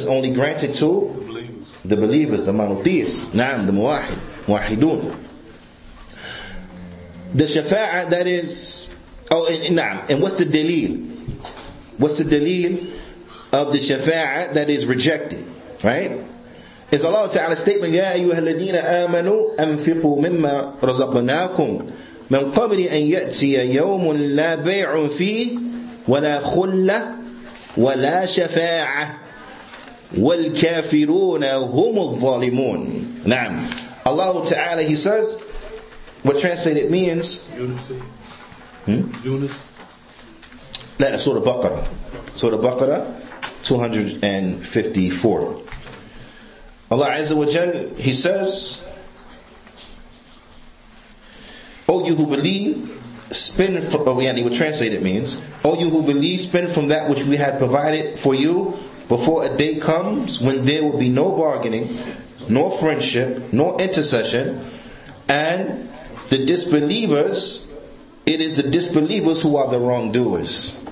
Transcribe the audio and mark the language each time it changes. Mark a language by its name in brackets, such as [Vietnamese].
[English] It's only granted to the believers, the monotheists. Na'am, the muwahid, muwahidun. The Shafa'ah that is... Oh, na'am. And what's the delil? What's the delil of the Shafa'ah that is rejected? Right? It's Allah Ta'ala's statement, [Arabic] يَا أَيُّهَا الَّذِينَ آمَنُوا أَنْفِقُوا مِمَّا رَزَقْنَاكُمْ مِنْ قَبْلِ أَنْ يَأْتِيَ يَوْمٌ لَا بَيْعٌ فِيهِ وَلَا خُلَّةٌ وَلَا شَفَاعَةٌ وَالْكَافِرُونَ هُمُ الظَّالِمُونَ. نعم. [English] Allah Ta'ala, He says, what translated means, Yunus. Surah Baqarah 254. Allah Azza wa Jal, He says, O you who believe, spend from, oh yeah, what translated means, O you who believe, spend from that which we had provided for you before a day comes when there will be no bargaining, nor friendship, nor intercession, and the disbelievers, it is the disbelievers who are the wrongdoers.